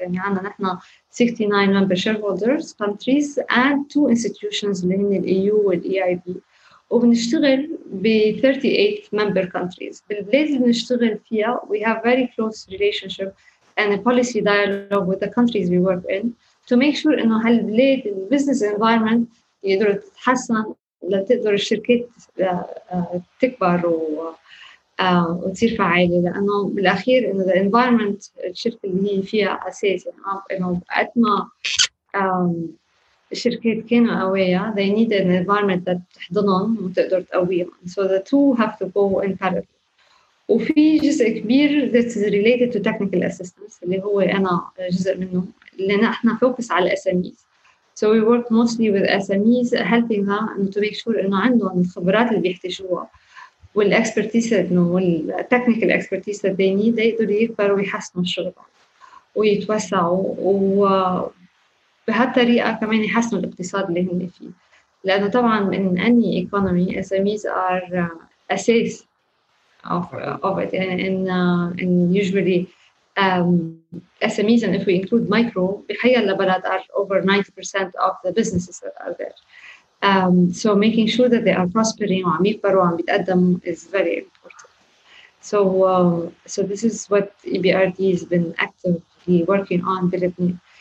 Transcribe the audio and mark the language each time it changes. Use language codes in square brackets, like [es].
[ar] يعني عنا نحنا [en] 69 member shareholders countries and two institutions [ar] اللي هن [en] EU والEIB. [ar] وبنشتغل ب 38 [en] member countries. [ar] بالبلاد بنشتغل فيها. [en] We have very close relationship and a policy dialogue with the countries we work in. To make sure [ar] إنه هالبلاد [en] the business environment [ar] يقدر تتحسن لتقدر الشركات تكبر وتصير فعالة لأنه بالأخير إنه the environment الشركة اللي هي فيها أساس يعني إنه قد ما الشركات كانوا قوية [en] they need an environment that [ar] تحضنهم وتقدر تقويهم [en] so the two have to go in parallel. [ar] وفي جزء كبير [en] that is related to technical assistance [ar] اللي هو أنا جزء منه اللي نحنا فوكس على SMEs. [en] So we work mostly with SMEs helping them and to make sure [ar] إنه عندهم الخبرات اللي بيحتاجوها والexpertise إنه والtechnical expertise [en] that they need [ar] يقدروا يكبروا ويحسنوا الشغل ويتوسعوا وبهالطريقة كمان يحسنوا الاقتصاد اللي هم فيه. [en] لأنه طبعا من any economy SMEs are assets of it and usually SMEs and if we include micro [ar] بحي البلد [en] are over 90% of the businesses that are there so making sure that they are prospering [ar] وعم يكبروا وعم يتقدموا [en] is very important so so this is what EBRD has been actively working on بلبنان.